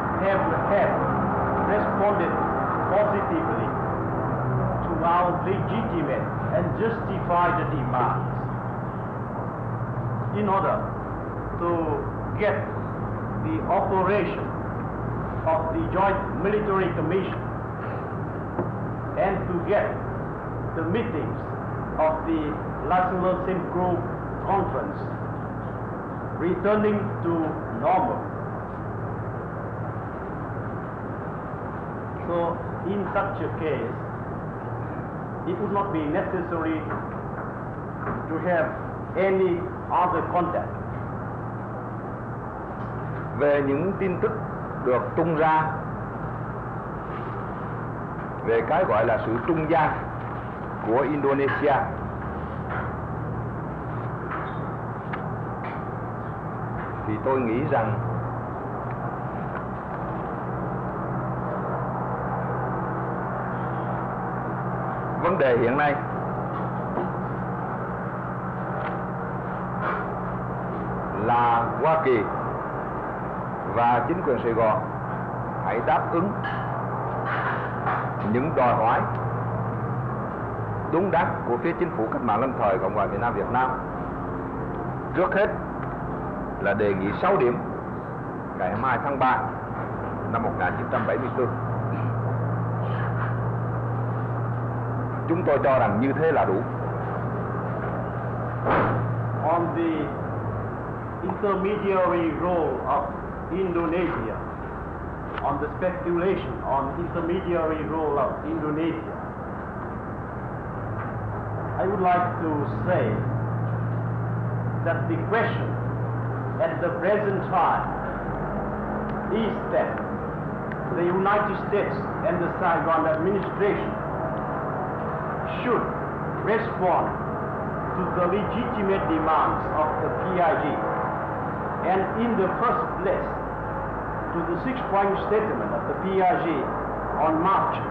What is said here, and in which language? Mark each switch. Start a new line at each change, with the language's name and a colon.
English: have responded positively to our legitimate and justified demand in order to get the operation of the Joint Military Commission and to get the meetings of the Laszlo Simcoe Conference returning to normal. So in such a case, it would not be necessary to have any other contact.
Vietnamese: Về những tin tức được tung ra về cái gọi là sự trung gian của Indonesia. Thì tôi nghĩ rằng vấn đề hiện nay là Hoa Kỳ và chính quyền Sài Gòn hãy đáp ứng những đòi hỏi đúng đắn của phía chính phủ cách mạng lâm thời Cộng hòa miền Nam Việt Nam. Trước hết là đề nghị 6 điểm ngày 22 tháng 3 năm 1974. Chúng tôi cho rằng như thế là đủ.
English: On the intermediary role of Indonesia, on the speculation on intermediary role of Indonesia, I would like to say that the question at the present time is that the United States and the Saigon administration should respond to the legitimate demands of the PIG and in the first place to the six-point statement of the PIG on March